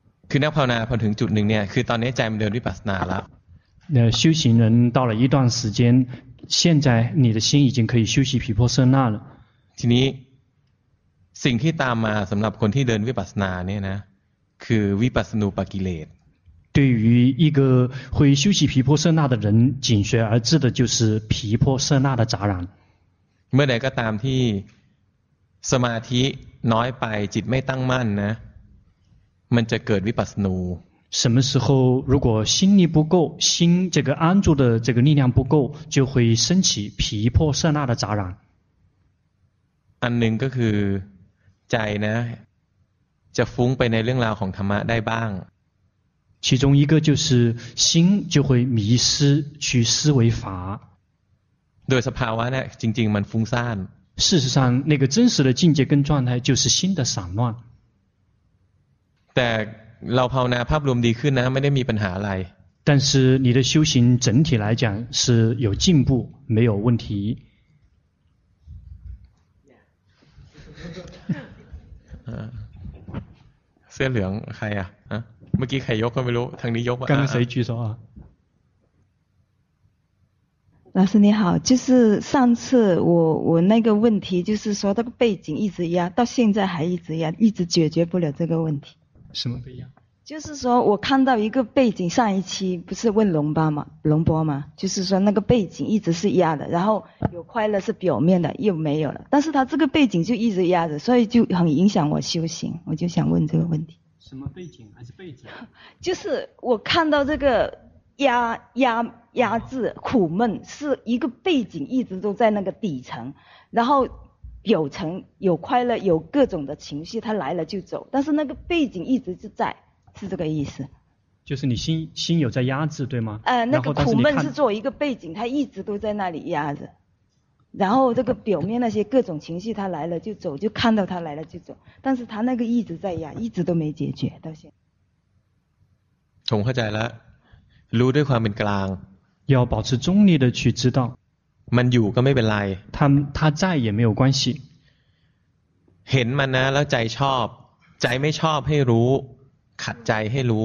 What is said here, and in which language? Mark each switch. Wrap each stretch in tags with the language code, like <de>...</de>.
<th>คือนักภาวนาพอถึงจุดหนึ่งเนี่ยคือตอนนี้ใจมันเดินวิปัสสนาแล้ว</th> <zh>修行人到了一段时间现在你的心已经可以修习毗婆舍那了</zh> <th>ทีนี้สิ่งที่ตามมาสำหรับคนที่เดินวิปัสสนาเนี่ยนะคือวิปัสสนูปกิเลส</th> <zh>对于一个会修习毗婆舍那的人紧随而至的就是毗婆舍那的杂染</zh> <th>เมื่อใดก็ตามที่สมาธิน้อยไปจิตไม่ตั้งมั่นนะมันจะเกิดวิปัสสนู</th> <zh>什么时候如果心力不够心这个安住的这个力量不够就会升起毗婆舍那的杂染</zh> <th>อันหนึ่งก็คือใจนะจะฟุ้งไปในเรื่องราวของธรรมะได้บ้าง</th> <zh>其中一个就是心就会迷失去思维法</zh> <th>โดยสภาวะเนี่ยจริงๆมันฟุ้งซ่าน</th> <zh>事实上那个真实的境界跟状态就是心的散乱</zh> <th>แต่เราภาวนาภาพรวมดีขึ้นนะไม่ได้มีปัญหาอะไร</th> <zh>但是你的修行整体来讲是有进步没有问题</zh> <th>อเหลืองใครอ่ะเมื่อกี้ใครยกก็ไม่รู้ทางนี้ยก กันใส่ชื่อสอ</th> <zh>老师你好，就是上次我那个问题，就是说的背景一直压，到现在还一直压，一直解决不了这个问题。什么背景？就是说我看到一个背景，上一期不是问龙巴吗？龙波吗？就是说那个背景一直是压的，然后有快乐是表面的，又没有了，但是他这个背景就一直压着，所以就很影响我修行，我就想问这个问题。什么背景还是背景？就是我看到这个压制苦闷是一个背景，一直都在那个底层，然后表层有快乐，有各种的情绪，它来了就走，但是那个背景一直就在，是这个意思。就是你心有在压制，对吗？那个苦闷是作为一个背景，它一直都在那里压着，然后这个表面那些各种情绪，它来了就走，就看到它来了就走，但是它那个一直在压，一直都没解决到现在。懂，</zh> <th>เข้าใจแล้วรู้ด้วยความเป็นกลาง</th> <zh>要保持中立的去知道</zh> <th>มันอยู่ก็ไม่เป็นไร</th> <zh>他在也没有关系</zh> <th>เห็นมันนะแล้วใจชอบใจไม่ชอบให้รู้ขัดใจให้รู</th>